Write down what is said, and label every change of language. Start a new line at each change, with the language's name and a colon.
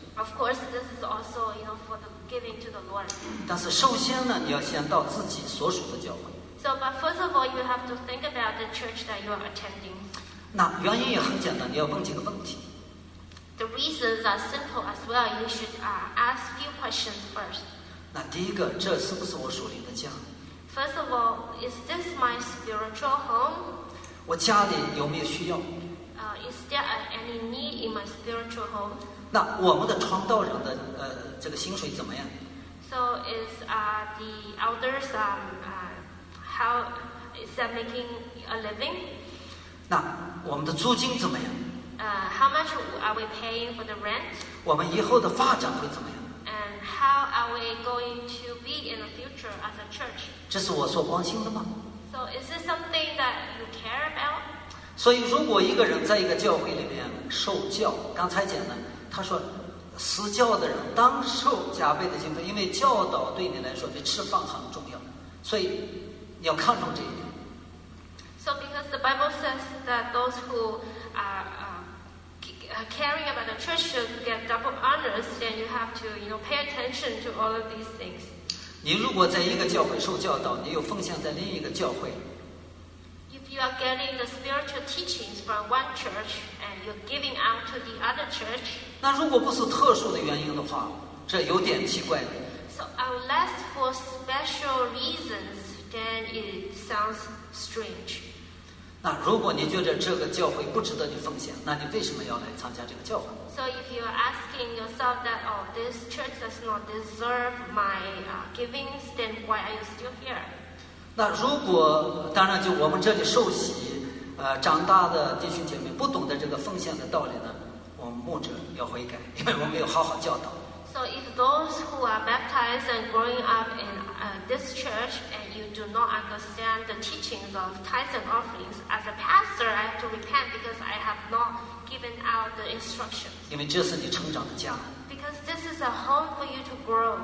English: Of course, this is also, you know, for the giving to the Lord.
Chinese: 但是首先呢，你要先到自己所属的教会。
English: So, but first of all, you have to think about the church that you are attending.
Chinese: 那原因也很简单，你要问几个问题。
English: The reasons are simple as well. You should ask few questions first.
Chinese: 那第一个，这是不是我属灵的家？
English: First of all, is this my spiritual home?
Chinese: 我家里有没有需要？
English: Is there any need in my spiritual home?
Chinese: 那我们的传道人的这个薪水怎么样？
English: So is the elders how is that making a living?
Chinese: 那我们的租金怎么样？
English: How much are we paying for the rent?
Chinese: 我们以后的发展会怎么样？
English: And how are we going to be in the future as a church?
Chinese: 这是我所关心的吗？
English: So is this something that you care about?
Chinese: 所以如果一个人在一个教会里面受教，刚才讲了，他说施教的人当受加倍的敬拜，因为教导对你来说比吃饭很重要，所以你要看重这一点。
English: So because the Bible says that those who are caring about the church should get double honors, then you have to, you know, pay attention to all of these things.
Chinese: 你如果在一个教会受教导，你又奉献在另一个教会。
English: If you are getting the spiritual teachings from one church and you're giving out to the other church,
Chinese: 那如果不是特殊的原因的话，这有点奇怪。
English: So unless for special reasons, then it sounds strange.
Chinese: 那如果你觉得这个教会不值得你奉献，那你为什么要来参加这个教会？
English: So if you are asking yourself that, oh, this church does not deserve my givings, then why are you still here?
Chinese: 那如果当然就我们这里受洗长大的弟兄姐妹不懂得这个奉献的道理呢，我们牧者要悔改，因为我们没有好好教导。
English: So if those who are baptized and growing up in this church and you do not understand the teachings of tithes and offerings, as a pastor I have to repent because I have not given out the instructions.
Chinese: 因为这是你成长的家。
English: Because this is a home for you to grow.